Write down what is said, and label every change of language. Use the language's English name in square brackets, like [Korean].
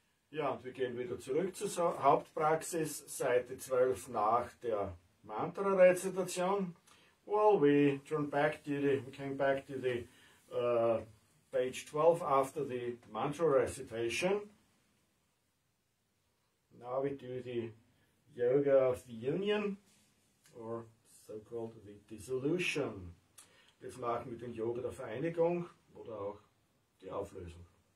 [German] Ja, und wir gehen wieder zurück zur Hauptpraxis, Seite 12 nach der Mantra-Rezitation. [English] Well, we turn back to the, we came back to the page 12 after the mantra recitation. Now we do the yoga of the union, or so-called the dissolution. [German] Jetzt machen wir den Yoga der Vereinigung oder auch die Auflösung.